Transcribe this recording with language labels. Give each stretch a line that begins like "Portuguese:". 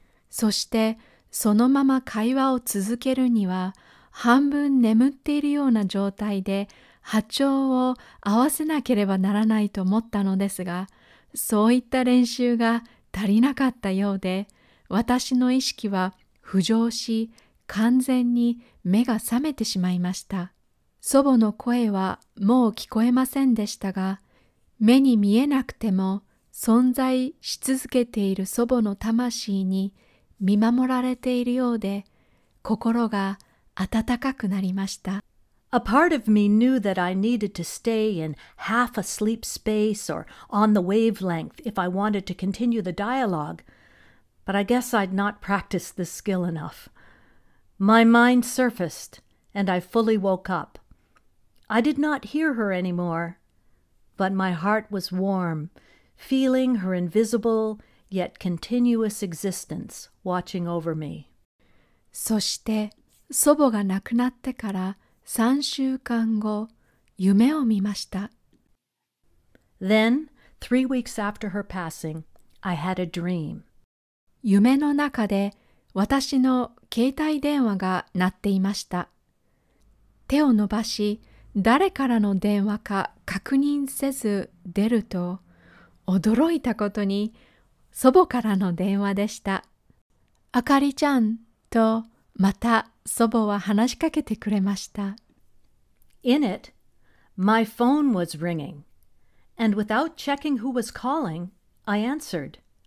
Japanese: そして、そのまま会話を続けるには、半分眠っているような状態で波長を合わせなければならないと思ったのですが、そういった練習が足りなかったようで、私の意識は浮上し、完全に目が覚めてしまいました。祖母の声はもう聞こえませんでしたが、目に見えなくても存在し続けている祖母の魂に、見守られているようで、心が温かくなりました。
English: A part of me knew that I needed to stay in half a sleep space or on the wavelength if I wanted to continue the dialogue, but I guess I'd not practiced this skill enough. My mind surfaced, and I fully woke up. I did not hear her anymore, but my heart was warm, feeling her invisible,Yet continuous existence watching over me.
Japanese: そして祖母が亡くなってから3週間後、夢を見ました。
English: Then, 3 weeks after her passing, I had a dream.
Japanese: 夢の中で私の携帯電話が鳴っていました。手を伸ばし、誰からの電話か確認せず出ると、驚いたことに、祖母からの電話でした。あかりちゃんとまた祖母は話しかけてくれました。
English: In it, my phone was ringing, and without checking who was calling, I answered.